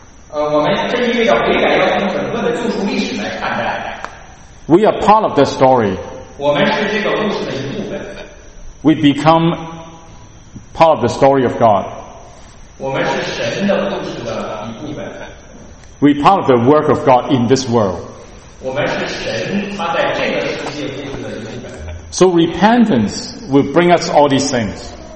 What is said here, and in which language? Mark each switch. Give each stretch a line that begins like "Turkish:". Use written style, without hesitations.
Chinese: 我们这意味着悔改要从整个的救赎历史来看待。
English: We are part of the story.
Chinese: 我们是这个故事的一部分。
English: We become part of the story of God.
Chinese: 我们是神的故事的一部分。
English: We part of the work of God in this world.
Chinese: 我们是神他在这个世界故事的一部分。
English: So repentance will bring us all these things.